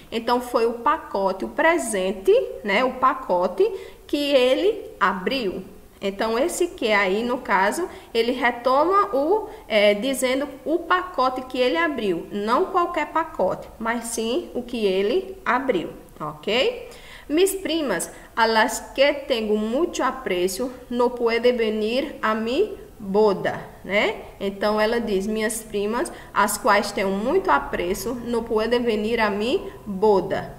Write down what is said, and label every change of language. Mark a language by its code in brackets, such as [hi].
[pt] Então, foi o pacote, o presente, né? O pacote que ele abriu. Então, esse que aí, no caso, ele retoma o dizendo o pacote que ele abriu. Não qualquer pacote, mas sim o que ele abriu, ok? [es] Mis primas a las que tengo mucho aprecio, no puede venir a mi boda, né? [pt] Então ela diz: minhas primas, as quais tenho muito apreço, não podem venir a mim boda.